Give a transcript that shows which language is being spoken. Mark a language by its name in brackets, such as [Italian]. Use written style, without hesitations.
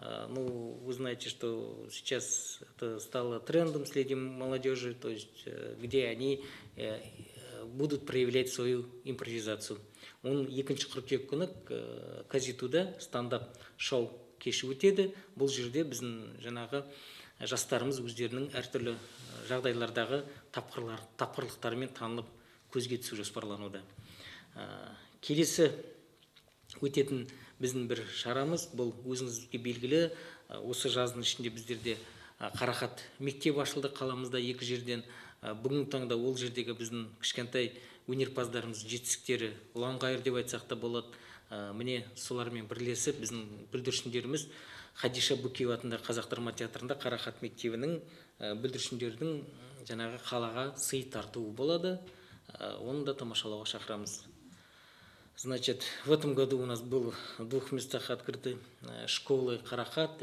[Russian] Ну, вы знаете, что сейчас это стало трендом среди молодежи, то есть где они будут проявлять свою импровизацию. [Kazakh] Он екінші қыркүйек күні Казитуда стендап-шоу кеші өтеді. Бұл жерде біздің жаңағы жастарымыз өздерінің әртүрлі жағдайлардағы тапқырлықтарымен танылып көзге түсу жоспарлануда. Келесі өтетін біздің бір шарамыз, бұл өзіңізге белгілі, осы жаздың ішінде біздерде қарақат мектеп ашылды қаламызда екі жерден. Бүгінгі таңда ол жердегі біздің кішкентай өнерпаздарымыз жетістіктері ұланғайыр деп айтсақ та болады. Міне солармен бірлесіп біздің бүлдіршіндеріміз Хадиша Бүкеев атындағы Қазақ драма театрында қарақат мектебінің бүлдіршіндердің жаңағы қалаға сый тартуы болады. Оны да тамашалауға шақырамыз. [Russian] Значит, в этом году у нас было в двух местах открыты школы «Карахат».